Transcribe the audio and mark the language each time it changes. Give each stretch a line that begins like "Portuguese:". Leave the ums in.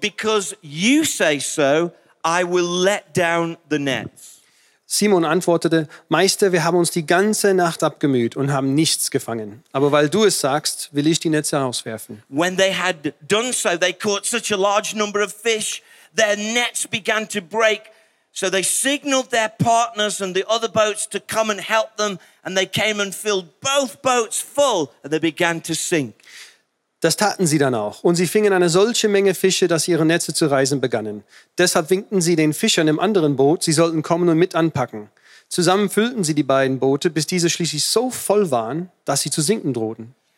English: because you say so, I will let down the nets.
German: Simon antwortete: Meister, wir haben uns die ganze Nacht abgemüht und haben nichts gefangen. Aber weil du es sagst, will ich die Netze auswerfen.
English: When they had done so, they caught such a large number of fish, their nets began to break. So they signaled their partners and the other boats to come and help them, and they came and filled both boats full, and they began to sink.
German: Das taten sie dann auch, und sie fingen eine solche Menge Fische, dass ihre Netze zu reisen begannen. Deshalb winkten sie den Fischern im anderen Boot, sie sollten kommen und mit anpacken. Zusammen füllten sie die beiden Boote, bis diese schließlich so voll waren, dass sie zu sinken drohten.